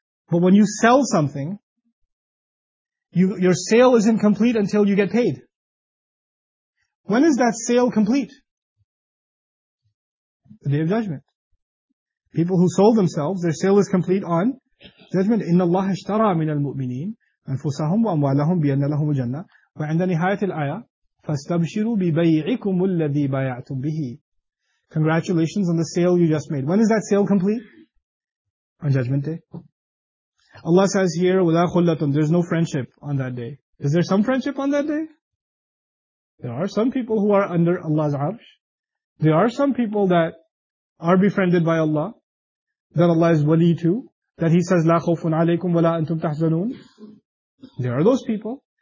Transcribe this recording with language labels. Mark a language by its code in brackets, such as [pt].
[en] But when you sell something, your sale isn't complete until you get paid. When is that sale complete? The Day of Judgment. People who sold themselves, their sale is complete on judgment. [ar] إِنَّ اللَّهَ اشْتَرَى مِنَ الْمُؤْمِنِينَ أَنفُسَهُمْ وَأَمْوَالَهُمْ بِأَنَّ لَهُمُ الْجَنَّةِ وَعِنْدَ نِهَايَةِ الْآيَةِ فَاسْتَبْشِرُوا بِبَيْعِكُمُ الَّذِي بَيَعْتُمْ بِهِ [en] Congratulations on the sale you just made. When is that sale complete? On Judgment Day. Allah says here, [ar] وَلَا خُلَّةٌ [en] There's no friendship on that day. Is there some friendship on that day? There are some people who are under Allah's arsh. There are some people that are befriended by Allah, that Allah is wali to, that He says, [ar] لَا خَوْفٌ عَلَيْكُمْ وَلَا أَنْتُمْ تَحْزَنُونَ [en] There are those people.